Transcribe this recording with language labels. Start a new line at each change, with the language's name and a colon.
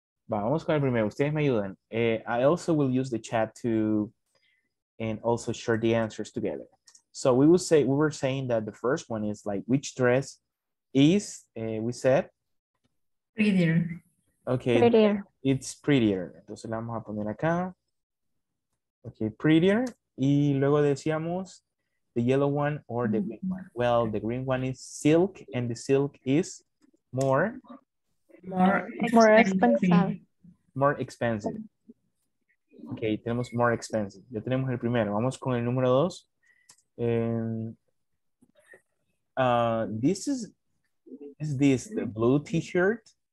Spanish: Vamos con el primero. Ustedes me ayudan.
English: I also will use the chat to and also share the answers together. So we will say, we were saying that the first one is like, which dress is, we said? Prettier. Okay. Prettier. It's prettier.
Spanish: Entonces la vamos a poner acá. Okay, prettier. Y luego decíamos,
English: the yellow one or the green one? Well, the green one is silk, and the silk is more? More expensive. More expensive.
Spanish: Ok, tenemos more expensive. Ya tenemos el primero. Vamos con el número dos.
English: Is this the blue t-shirt?